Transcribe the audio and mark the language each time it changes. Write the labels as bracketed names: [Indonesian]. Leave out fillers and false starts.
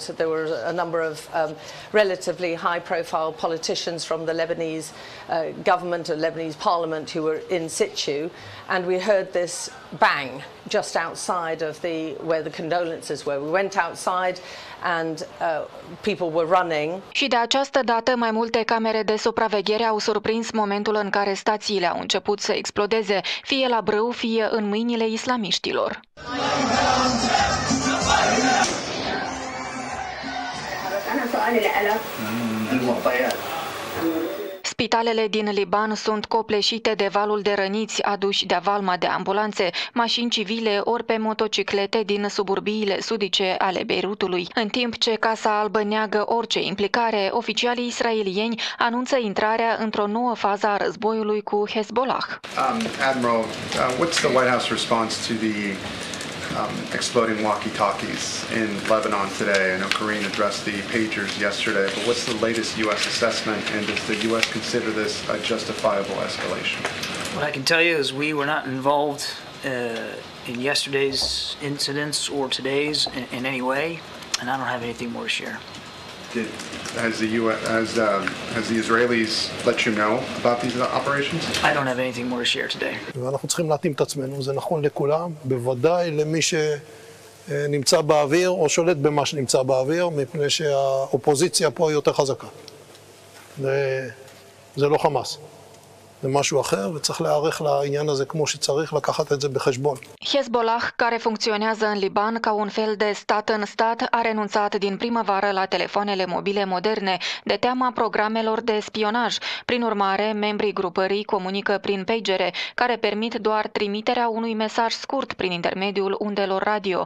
[English] There were a number of relatively high-profile politicians from the Lebanese government or Lebanese parliament who were in situ, and we heard this bang just outside of the where the condolences were. We went outside. And people were running. [Romanian] Și de această dată, mai multe camere de supraveghere au surprins momentul în care stațiile au început să explodeze, fie la brâu, fie în mâinile islamiștilor. Spitalele din Liban sunt copleșite de valul de răniți aduși de avalma de ambulanțe, mașini civile ori pe motociclete din suburbiile sudice ale Beirutului. În timp ce Casa Albă neagă orice implicare, oficialii israelieni anunță intrarea într-o nouă fază a războiului cu Hezbollah. [English] Admiral, what's the White House response to the exploding walkie-talkies in Lebanon today. I know Karine addressed the pagers yesterday, but what's the latest U.S. assessment, and does the U.S. consider this a justifiable escalation? What I can tell you is we were not involved in yesterday's incidents or today's in any way, and I don't have anything more to share. Has the Israelis let you know about these operations? I don't have anything more to share today. [Hebrew] אנחנו צריכים להתאים את עצמנו, זה נכון לכולם, בוודאי למי שנמצא באוויר או שולט במה שנמצא באוויר, מפני שהאופוזיציה פה היא יותר חזקה. זה לא חמאס. משהו אחר וצריך להיערך לעניין הזה כמו שצריך לקחת את זה בחשבון. [Romanian] Hezbollah, care funcționează în Liban ca un fel de stat în stat, a renunțat din primăvară la telefoanele mobile moderne de teama programelor de spionaj. Prin urmare, membrii grupării comunică prin pagere, care permit doar trimiterea unui mesaj scurt prin intermediul undelor radio.